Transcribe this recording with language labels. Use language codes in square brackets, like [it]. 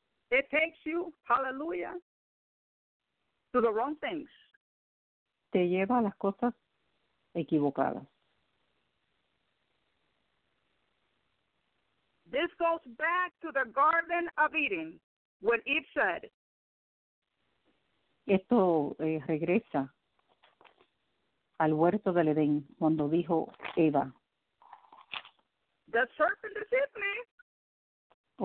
[en] It takes you, hallelujah, to the wrong things. [es] Te lleva a las cosas equivocadas. [en] This goes back to the Garden of Eden. When Eve said, [es] esto regresa al huerto del Edén cuando dijo Eva. [en] The serpent deceived me.